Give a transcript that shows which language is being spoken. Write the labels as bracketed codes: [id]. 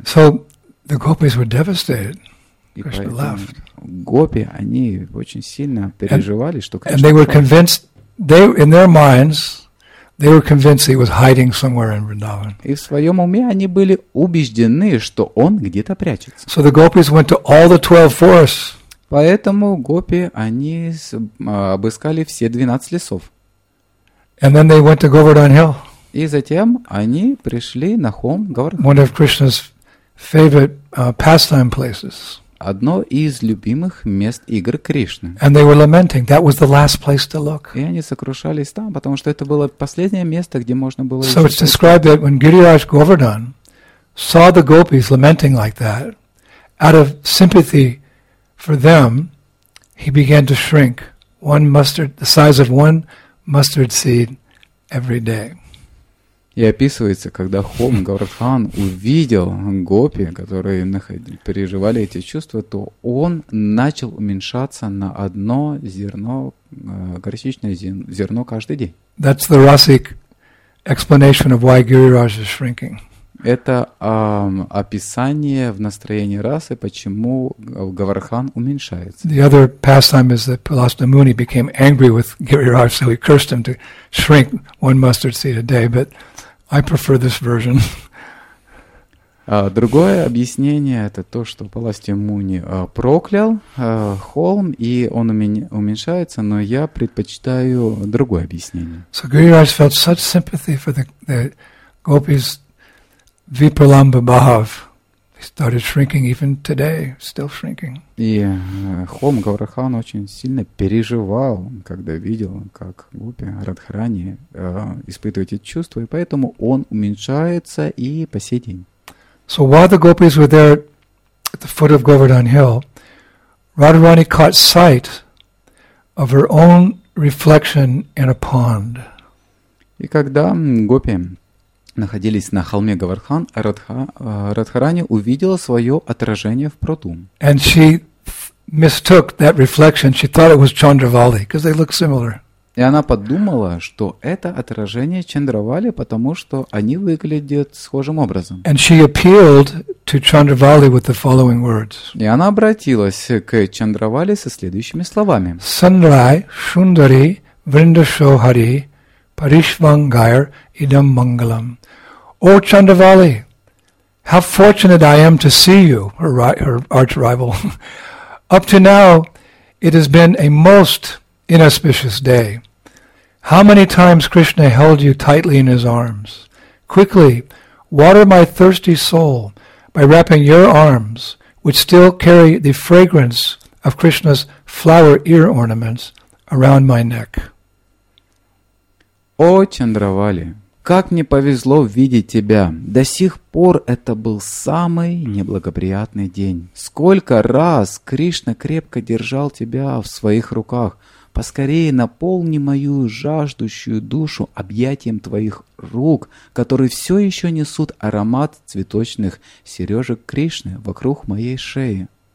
[en] So the gopis were devastated. [ru] И Krishna поэтому [en] left. [ru] Гопи, они очень сильно переживали, [en] and, [ru] что Кришна. [en] And they were convinced, they in their minds, they were convinced he was hiding somewhere in Vrindavan. [ru] И в своем уме они были убеждены, что он где-то прячется. [en] So the gopis went to all the 12 forests. [ru] Поэтому гопи, они обыскали все 12 лесов. [en] And then they went to Govardhan Hill. [ru] И затем они пришли на холм Говардхан. [en] One of Krishna's favorite pastime places. [ru] Одно из любимых мест игр Кришны. [en] And they were lamenting. That was the last place to look. [ru] И они сокрушались там, потому что это было последнее место, где можно было. [en] So it's described that when Giriraj Govardhan saw the gopis lamenting like that, out of sympathy for them, he began to shrink one mustard, the size of one mustard seed, every day. [ru] И описывается, когда Хом Гаврхан увидел гопи, которые переживали эти чувства, то он начал уменьшаться на одно зерно, горчичное зерно каждый день. [en] That's the rasic explanation of why Giriraj is shrinking. [ru] Это описание в настроении расы, почему Гаврхан уменьшается. [en] The other pastime is that Pilasta Muni became angry with Giriraj, so he cursed him to shrink one mustard seed a day, but I prefer this version. [ru] Другое объяснение – это то, что Паласти Муни проклял холм, и он уменьшается, но я предпочитаю другое объяснение. [en] So Giriraj felt such sympathy for the gopis Vipralamba Bhav. He started shrinking even today, still shrinking. [ru] И холм Гаврхан очень сильно переживал, когда видел, как гопи Радхарани испытывают эти чувства, и поэтому он уменьшается и по сей день. [en] So while the gopis were there at the foot of Govardhan Hill, Radharani caught sight of her own reflection in a pond. [ru] И когда гопи находились на холме Говардхан, Радхарани увидела свое отражение в пруду. [en] And she mistook that reflection. She thought it was Chandravali, because they look similar. [ru] И она подумала, что это отражение Чандравали, потому что они выглядят схожим образом. [en] And she appealed to Chandravali with the following words. [ru] И она обратилась к Чандравали со следующими словами. [sa] Sunrai, Shundari, Vrindashohari, Parishvangair, Idam Mangalam. [en] O Chandravali, how fortunate I am to see you, her arch rival. Up to now, it has been a most inauspicious day. How many times Krishna held you tightly in his arms? Quickly, water my thirsty soul by wrapping your arms, which still carry the fragrance of Krishna's flower ear ornaments, around my neck. [ru] О, Чандравали, как мне повезло видеть тебя. До сих пор это был самый неблагоприятный день. Сколько раз Кришна крепко держал тебя в своих руках. Поскорее наполни мою жаждущую душу объятием твоих рук, которые все еще несут аромат цветочных сережек Кришны вокруг моей шеи.